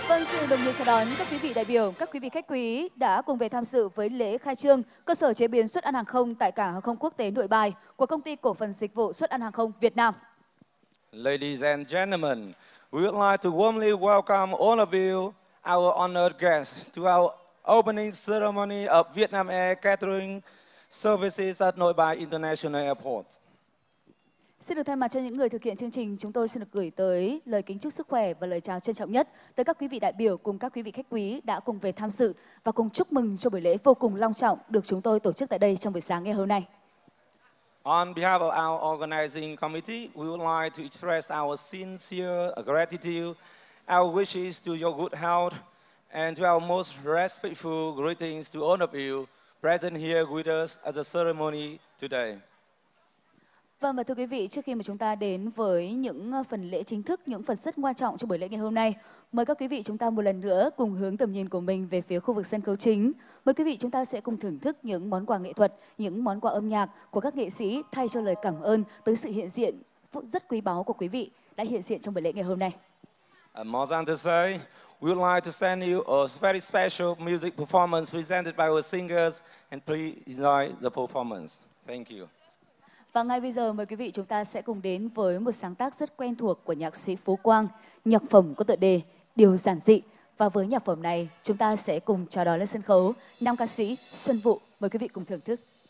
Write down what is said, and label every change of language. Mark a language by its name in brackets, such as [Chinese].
[Vietnamese] xin chào đón các quý vị đại biểu, các quý vị khách quý đã cùng về tham dự với lễ khai trương cơ sở chế biến suất ăn hàng không tại cảng hàng không quốc tế Nội Bài của Công ty Cổ phần Dịch vụ Suất ăn hàng không Việt Nam. [English] Ladies and gentlemen, we would like to warmly welcome all of you, our honored guests, to our opening ceremony of Vietnam Air Catering Services at Nội Bài International Airport. [Vietnamese] Xin được thay mặt cho những người thực hiện chương trình, chúng tôi xin được gửi tới lời kính chúc sức khỏe và lời chào trân trọng nhất tới các quý vị đại biểu cùng các quý vị khách quý đã cùng về tham dự và cùng chúc mừng cho buổi lễ vô cùng long trọng được chúng tôi tổ chức tại đây trong buổi sáng ngày hôm nay. [English] On behalf of our organizing committee, we would like to express our sincere gratitude, our wishes to your good health, and to our most respectful greetings to all of you present here with us at the ceremony today. [Vietnamese] Vâng, và thưa quý vị, trước khi mà chúng ta đến với những phần lễ chính thức, những phần rất quan trọng cho buổi lễ ngày hôm nay, mời các quý vị chúng ta một lần nữa cùng hướng tầm nhìn của mình về phía khu vực sân khấu chính. Mời quý vị chúng ta sẽ cùng thưởng thức những món quà nghệ thuật, những món quà âm nhạc của các nghệ sĩ thay cho lời cảm ơn tới sự hiện diện rất quý báu của quý vị đã hiện diện trong buổi lễ ngày hôm nay. [English] More than to say, we would like to send you a very special music performance presented by our singers, and please enjoy the performance. Thank you. [Vietnamese] Và ngay bây giờ mời quý vị chúng ta sẽ cùng đến với một sáng tác rất quen thuộc của nhạc sĩ Phú Quang, nhạc phẩm có tựa đề Điều Giản Dị. Và với nhạc phẩm này, chúng ta sẽ cùng chào đón lên sân khấu nam ca sĩ Xuân Vũ. Mời quý vị cùng thưởng thức.